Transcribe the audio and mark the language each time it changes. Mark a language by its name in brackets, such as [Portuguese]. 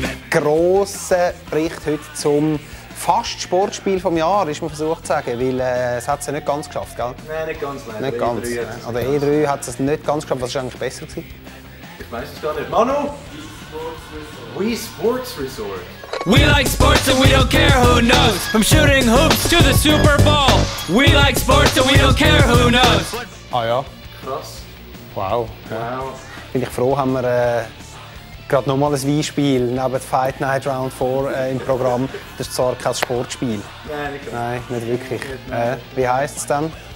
[German] Grosser Bericht heute zum fast Sportspiel des Jahres, ist man versucht zu sagen. Weil es hat es ja nicht ganz geschafft, gell? Nein, nicht ganz. Nicht ganz. Oder E3 hat es nicht ganz geschafft. Was war eigentlich besser gewesen? Ich weiß es gar nicht. Manu! Wii Sports Resort. [English] We like sports and we don't care who knows. From shooting hoops to the Super Bowl. We like sports and we don't care who knows. [German] Ah ja. Krass. Wow. Wow. Bin ich froh, haben wir. Gerade nochmal ein Wii-Spiel neben Fight Night Round 4 im Programm. Das ist zwar kein Sportspiel. Nein, nicht, nein, nicht wirklich. Nicht, wie heisst es dann?